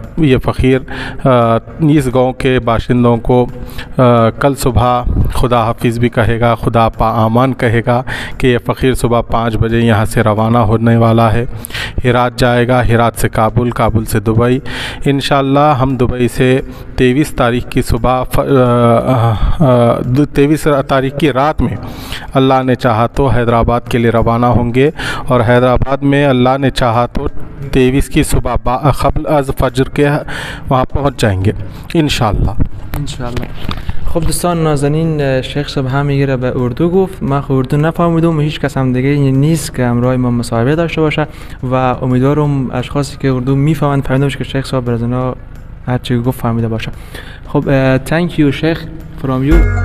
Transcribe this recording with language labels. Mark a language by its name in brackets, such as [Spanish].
[Urdu] یہ فقیر اس گاؤں کے باشندوں کو کل صبح خدا حافظ بھی کہے گا، خدا پا امان کہے گا کہ یہ فقیر صبح 5 بجے یہاں سے روانہ ہونے والا ہے، ہرات جائے گا، ہرات سے کابل، کابل سے دبئی، انشاءاللہ ہم دبئی سے 23 تاریخ کی صبح 23 تاریخ کی رات میں اللہ نے چاہا تو حیدرآباد کے لیے روانہ ہوں گے، اور حیدرآباد میں اللہ نے چاہا تو 23 کی صبح قبل از فجر کے وہاں پہنچ جائیں گے انشاءاللہ۔ [Persian] انشاءاللہ خب دوستان، نازنین شیخ صاحب همیگه را به اردو گفت، من خود اردو نفهمیدم و هیچ کس هم دیگه نیست که امرای ما مصاحبه داشته باشه، و امیدوارم اشخاصی که اردو میفهمند فهمیده باشه که شیخ صاحب برای اونا هر چی گفت فهمیده باشه. [English] خب thank you شیخ from you.